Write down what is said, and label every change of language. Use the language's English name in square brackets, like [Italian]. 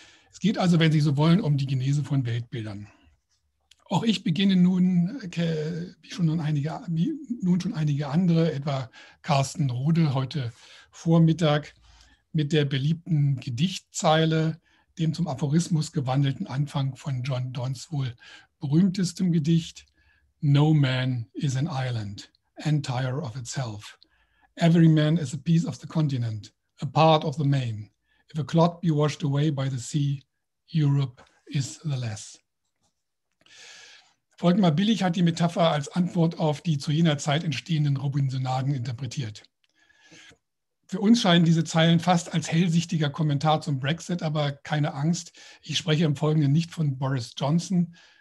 [German] Es geht also, wenn Sie so wollen, um die Genese von Weltbildern. Auch ich beginne nun, wie nun schon einige andere, etwa Carsten Rode heute Vormittag, mit der beliebten Gedichtzeile, dem zum Aphorismus gewandelten Anfang von John Donnes wohl berühmtestem Gedicht: [English] No man is an island, entire of itself. Every man is a piece of the continent, a part of the main. If a clod be washed away by the sea, Europe is the less. [German] Volkmar Billig hat die Metapher als Antwort auf die zu jener Zeit entstehenden Robinsonaden interpretiert. Für uns scheinen diese Zeilen fast als hellsichtiger Kommentar zum Brexit, aber keine Angst, ich spreche im Folgenden nicht von Boris Johnson.